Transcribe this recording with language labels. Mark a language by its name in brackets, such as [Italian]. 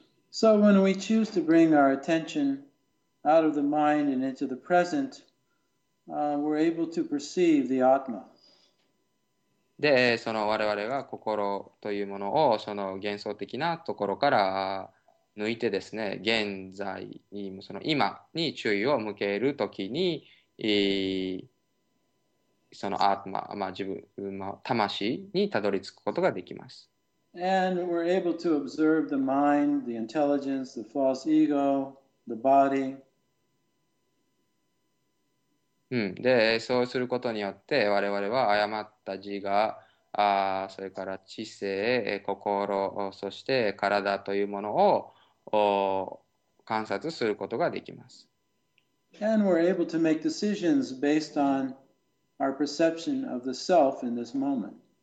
[English] So when we choose to bring our attention out of the mind and into the present,we're able to perceive the Atma. [Japanese] で、その我々が心というものをその幻想的なところから抜いてですね、現在に、その今に注意を向けるときに、そのアートマ、自分の魂にたどり着くことができます。 [English] And we're able to observe the mind, the intelligence, the false ego, the body. [Japanese] で、そうすることによって我々は誤った自我、それから知性、心、そして体というものを観察することができます。 [English] And we're able to make decisions based on our perception of the self in this moment.